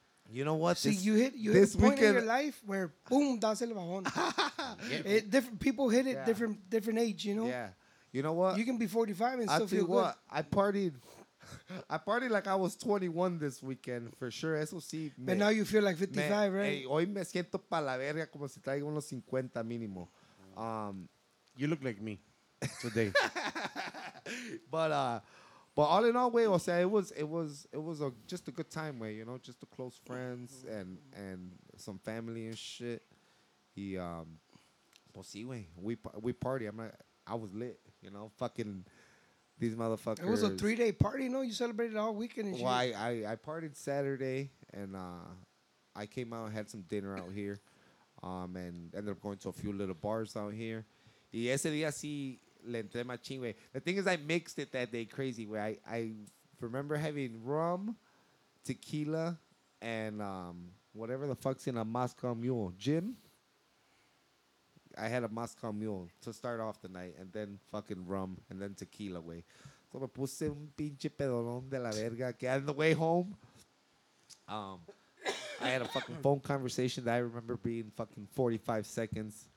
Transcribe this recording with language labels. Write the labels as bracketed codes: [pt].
[en] You know what? See, this, you hit this point in your life where boom, [es] das el bajón. [en] Different people hit it different age, you know? Yeah. You know what? You can be 45 and still feel good. I partied like I was 21 this weekend, for sure. [es] Eso sí. [en] But now you feel like 55, right? [es] Hey, hoy me siento pa la verga como si traigo unos 50 mínimo. [en] You look like me today. but all in all, way, [es] o sea, [en] it was a just a good time, way, you know, just the close friends and some family and shit. [es] Pues sí, [en] way. We party. I was lit. You know, fucking these motherfuckers. It was a 3-day party, no? You celebrated all weekend and shit. Well, I partied Saturday, and I came out and had some dinner out here, and ended up going to a few little bars out here. [es] Y ese día sí le entré machín, güey. [en] The thing is, I mixed it that day crazy, güey. I remember having rum, tequila, and whatever the fuck's in a Moscow Mule. Gin? I had a Moscow Mule to start off the night, and then fucking rum, and then tequila, way. So [es] me puse un pinche pedolón de la verga. Que [en] on the way home, I had a fucking phone conversation that I remember being fucking 45 seconds.